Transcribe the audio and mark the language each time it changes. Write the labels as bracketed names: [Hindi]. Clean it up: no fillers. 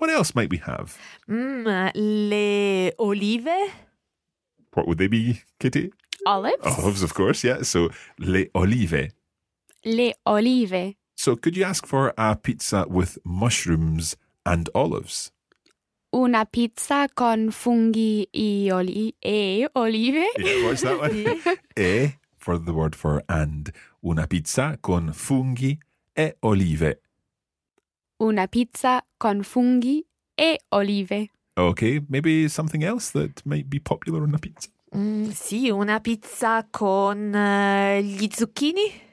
[English] What else might we have? [Italian] Le olive. [English] What would they be, Kitty? Olives. Olives, of course, yeah. [Italian] So, le olive. Le olive. [English] So, could you ask for a pizza with mushrooms and olives? [Italian] Una pizza con funghi e olive. [English] Yeah, what's that one? E, for the word for and. [Italian] Una pizza con funghi e olive. Una pizza con funghi e olive. [English] Okay, maybe something else that might be popular on a pizza. [Italian] Sì, una pizza con gli zucchini.